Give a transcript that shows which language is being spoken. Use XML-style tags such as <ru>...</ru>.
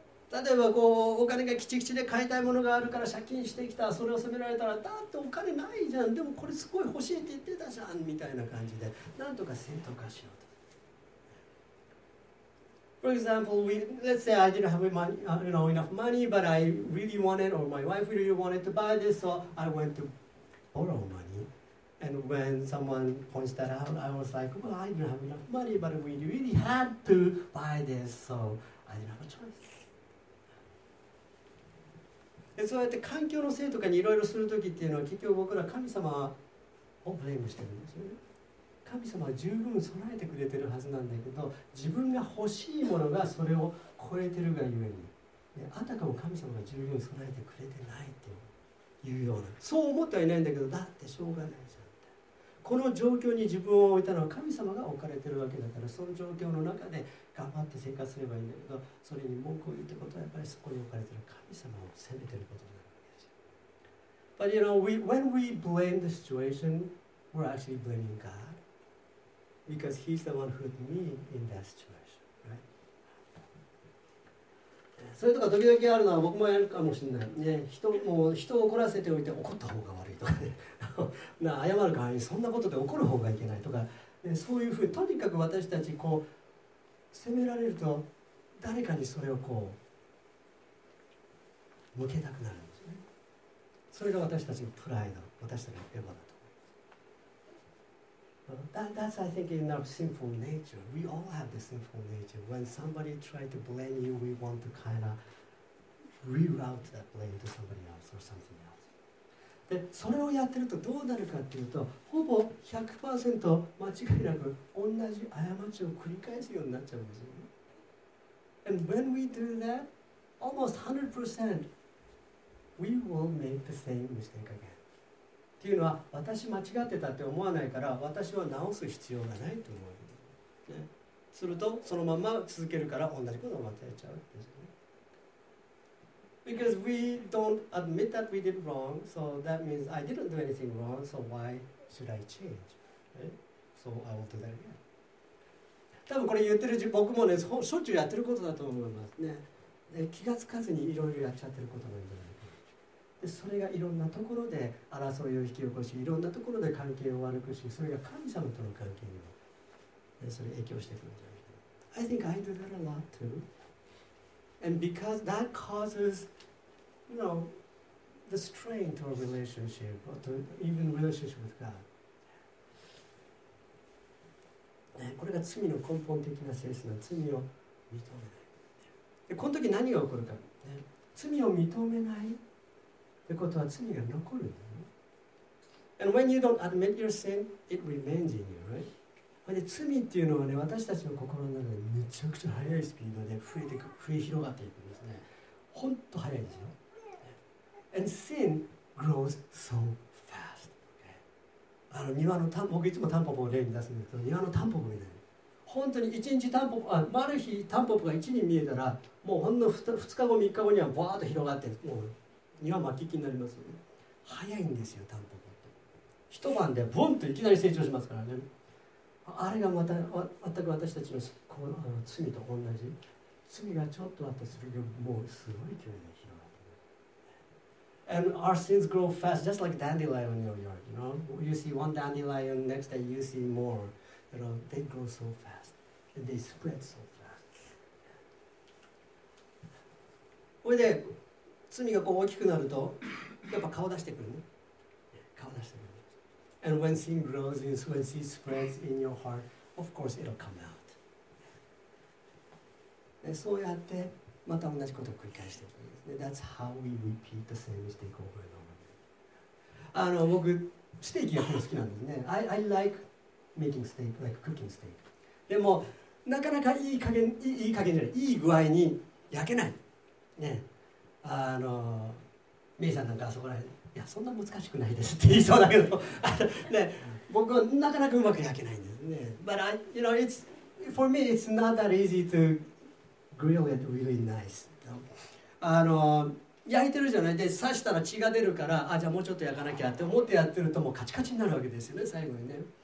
<ja>ね、例えばこうお金がきちきちで買いたいものがあるから借金してきた。それを責められたら、だってお金ないじゃん。でもこれすごい欲しいって言ってたじゃんみたいな感じで、なんとか正当化しようと。</ja> <en>For example, let's say I didn't have money, you know, enough money, but I really wanted, or my wife really wanted to buy this, so I went to borrow money. And when someone points that out, I was like, well, I didn't have enough money, but we really had to buy this, so I didn't have a choice. And</en> <ja>そうやって環境のせいとかにいろいろするときっていうのは、結局僕ら神様をブレームしてるんですよね。神様は十分備えてくれてるはずなんだけど、自分が欲しいものがそれを超えてるがゆえに、ね、あたかも神様が十分備えてくれてないっていうような、そう思ってはいないんだけど、だってしょうがないじゃん。この状況に自分を置いたのは神様が置かれてるわけだから、その状況の中で頑張って生活すればいいんだけど、それに文句を言うってことは、やっぱりそこに置かれてる神様を責めてることになるわけですよ。</ja> <en>But you know, when we blame the situation, we're actually blaming GodBecause he's the one who put me in that situation, right?</en> <ja>それとか時々あるのは、僕もやるかもしれない。ね、人を怒らせておいて怒った方が悪いとかね。謝る代わりにそんなことで怒る方がいけないとか、ね、そういうふうに、とにかく私たちこう、責められると、誰かにそれをこう、向けたくなるんですね。それが私たちのプライド、私たちのエゴだ。</ja> <en>That's, I think, in our sinful nature. We all have the sinful nature. When somebody tries to blame you, we want to kind of reroute that blame to somebody else or something else.</en> <ja>で、それをやってるとどうなるかっていうと、ほぼ 100% 間違いなく同じ過ちを繰り返すようになっちゃうんですよね。</ja> <en>And when we do that, almost 100%, we will make the same mistake again.</en> <ja>っていうのは、私間違ってたって思わないから、私は直す必要がないと思う、ね。すると、そのまま続けるから同じことをまたやっちゃうんですよね。</ja> <en>Because we don't admit that we did wrong, so that means I didn't do anything wrong, so why should I change?、ね、so I won't do that again.</en> <ja>多分これ言ってる僕もね、しょっちゅうやってることだと思いますね。ね、気がつかずにいろいろやっちゃってることなんじゃない。でそれがいろんなところで争いを引き起こし、いろんなところで関係を悪くし、それが神様との関係にも、ね、それ影響してくるんじゃないか。</ja> <en>I think I do that a lot too. And because that causes, you know, the strain to a relationship, or to even relationship with God.、</en> <ja>ね、これが罪の根本的な性質の罪を認めない。で、この時何が起こるか。ね、罪を認めない。ってことは罪が残るんだよね。</ja> <en>And when you don't admit your sin, it remains in you, right?</en> <ja>で、罪っていうのはね、私たちの心の中でめちゃくちゃ速いスピードで増えていく、増え広がっていくんですね。ほんと速いですよ。</ja> <en>And sin grows so fast.</en> <ja>あの庭のタンポポ、僕いつもタンポポを例に出すんですけど、庭のタンポポみたいな。本当に一日タンポポ、ある日タンポポが1人見えたら、もうほんの 2日後、3日後にはバーッと広がって、もう庭巻き木になりますよね。早いんですよ、タンポポって。一晩でボンといきなり成長しますからね。あれがまた、全く私たちの、罪と同じ。罪がちょっとあったりするけど、もうすごい勢いで広がってくる。</ja> <en>And our sins grow fast, just like dandelion in your yard. You know, you see one dandelion, next day you see more. You know, they grow so fast, and they spread so fast.</en> <ja>それで罪がこう大きくなると、やっぱ顔出してくるね。顔出してくる。</ja> <en>And when sin grows, when sin spreads in your heart, of course it'll come out.</en> <ja>でそうやってまた同じことを繰り返していくんですね。</ja> <en>That's how we repeat the same mistake over and over.</en> <ja>あの僕ステーキ焼くの好きなんですね。</ja> <en>I like making steak, like cooking steak.</en> <ja>でもなかなかいい加減、いい加減じゃない、いい具合に焼けない。ね、あのメイさんなんかあそこらへん。いやそんな難しくないですって言いそうだけど、ね、僕はなかなかうまく焼けないんですね。</ja> <en>But I, you know, it's, for me, it's not that easy to grill it really nice.</en> <ja>あの焼いてるじゃない、で刺したら血が出るから、あ、じゃあもうちょっと焼かなきゃって思ってやってるともうカチカチになるわけですよね、最後にね。</ja>